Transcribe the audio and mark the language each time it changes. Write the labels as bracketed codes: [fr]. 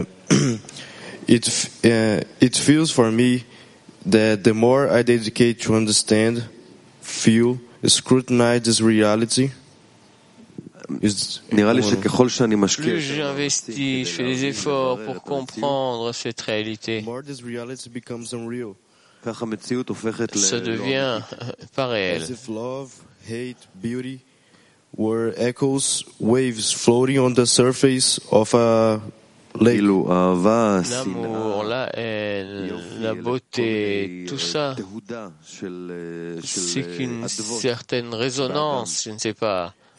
[en] It feels for me that the more I dedicate to understand, feel, scrutinize this reality. [fr] Plus j'investis, je fais des efforts pour comprendre cette réalité. [en] More this reality becomes unreal. [fr] Ça devient pas réel. [en] As if love, hate, beauty were echoes, waves floating on the surface of a lake. [fr] L'amour, la haine, la beauté, tout ça, c'est qu'une certaine résonance, je ne sais pas,